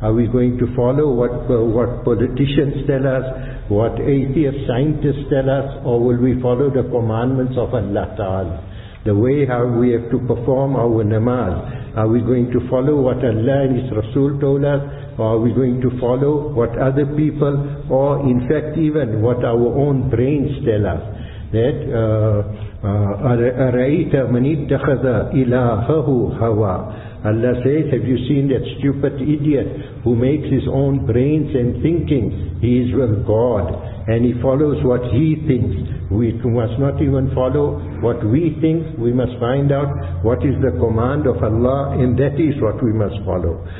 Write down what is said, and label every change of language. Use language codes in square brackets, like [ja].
[en] Are we going to follow what politicians tell us, what atheist scientists tell us, or will we follow the commandments of Allah Ta'ala? The way how we have to perform our namaz, are we going to follow what Allah and His Rasul told us, or are we going to follow what other people, or in fact even what our own brains tell us? That [ar] أَرَأَيْتَ مَنِ اتَّخَذَ إِلَاهَهُ هَوَى. [en] Allah says, have you seen that stupid idiot who makes his own brains and thinking he is with God, and he follows what he thinks? We must not even follow what we think. We must find out what is the command of Allah, and that is what we must follow.